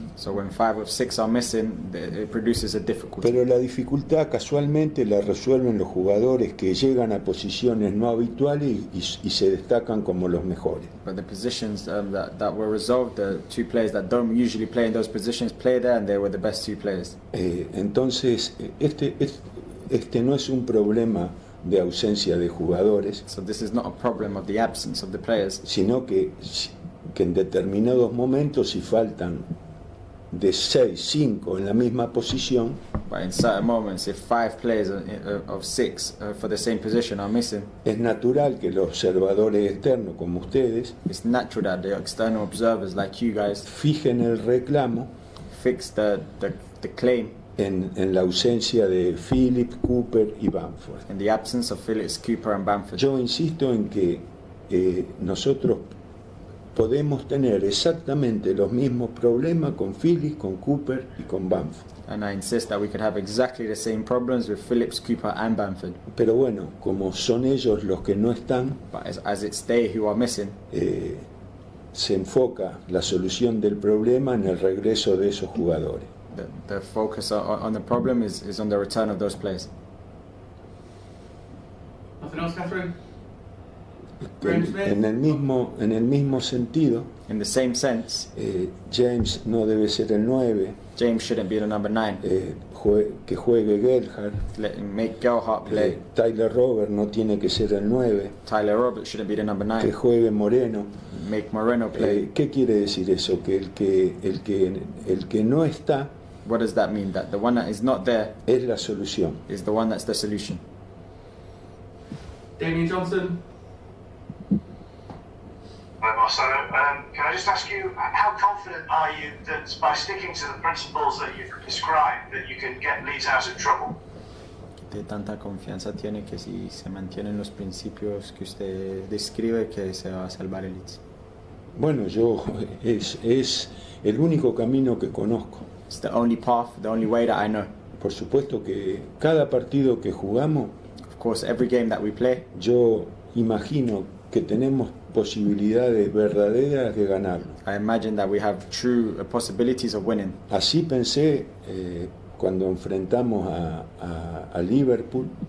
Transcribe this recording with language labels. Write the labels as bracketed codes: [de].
[en] So when 5 of 6 are missing, it produces a difficulty. [es] Pero la dificultad casualmente la resuelven los jugadores que llegan a posiciones no habituales y se destacan como los mejores. [en] But the positions that were resolved, the 2 players that don't usually play in those positions play there and they were the best 2 players. [es] Entonces, este no es un problema de ausencia de jugadores, [en] so this is not a problem of the absence of the players, [es] sino que en determinados momentos si faltan de 6, 5 en la misma posición, [en] but in certain moments if 5 players of 6 for the same position are missing, [es] es natural que los observadores externos como ustedes, [en] it's natural that the external observers like you guys, [es] fijen el reclamo, [en] fix the claim, [es] En la ausencia de Philip Cooper y Bamford. [en] In the absence of Phillips Cooper and Bamford. [es] Yo insisto en que nosotros podemos tener exactamente los mismos problemas con Phillips, con Cooper y con Bamford. [en] And I insist that we could have exactly the same problems with Phillips Cooper and Bamford. [es] Pero bueno, como son ellos los que no están, [en] but as it's they who are missing, [es] se enfoca la solución del problema en el regreso de esos jugadores. [en] The focus on the problem is on the return of those players. Nothing else, Catherine? [es] En el mismo sentido. [en] In the same sense. [es] James no debe ser el 9. [en] James shouldn't be the number 9. [es] Que juegue Gerhard. [en] Make Gerhard play. [es] Tyler Roberts no tiene que ser el 9. [en] Tyler Roberts shouldn't be the number 9. [es] Que juegue Moreno. [en] Make Moreno play. [es] ¿Qué quiere decir eso? Que el que no está. [en] What does that mean? That the one that is not there [es] es la solución. [en] Is the one that's the solution. Damian Johnson. Hi Marcelo. Can I just ask you, how confident are you that by sticking to the principles that you've described that you can get Leeds out of trouble? [es] de tanta confianza tiene que si se mantienen los principios que usted describe que se va a salvar el Leeds? Bueno, yo es el único camino que conozco. [en] It's the only path, the only way that I know. [es] Por supuesto que cada partido que jugamos, [en] of course, every game that we play, [es] yo imagino que tenemos posibilidades verdaderas de ganar. [en] I imagine that we have true possibilities of winning. [es] Así pensé cuando enfrentamos a Liverpool.